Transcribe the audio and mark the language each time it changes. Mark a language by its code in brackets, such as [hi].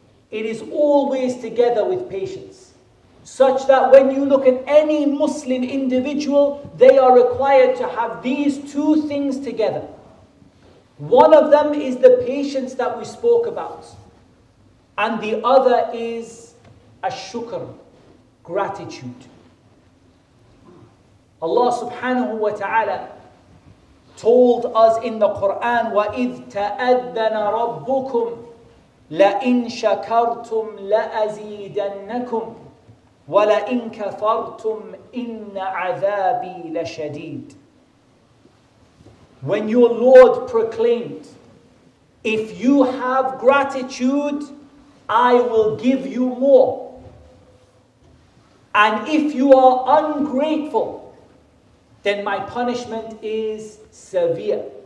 [en] It is always together with patience, such that when you look at any Muslim individual, they are required to have these two things together. One of them is the patience that we spoke about, and the other is ash-shukr, gratitude. Allah subhanahu wa ta'ala told us in the Quran, [ar] وَإِذْ تَأَذَّنَ رَبُّكُمْ لَإِنْ شَكَرْتُمْ لَأَزِيدَنَّكُمْ وَلَإِنْ كَفَرْتُمْ إِنَّ عَذَابِي لَشَدِيدٌ. [en] When your Lord proclaimed, if you have gratitude, I will give you more. And if you are ungrateful, then my punishment is severe.